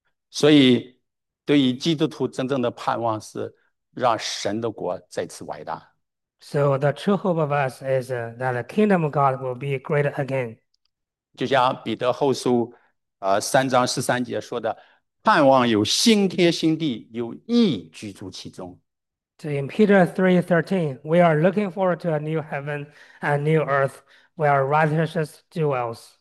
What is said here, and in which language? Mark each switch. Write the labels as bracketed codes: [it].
[zh] 所以，对于基督徒真正的盼望是让神的国再次伟大。 [en] So the true hope of us is that the kingdom of God will be great again. [zh] 就像彼得后书，3章13节说的，盼望有新天新地，有义居住其中。 [en] So in Peter 3:13, we are looking forward to a new heaven and new earth where righteousness dwells.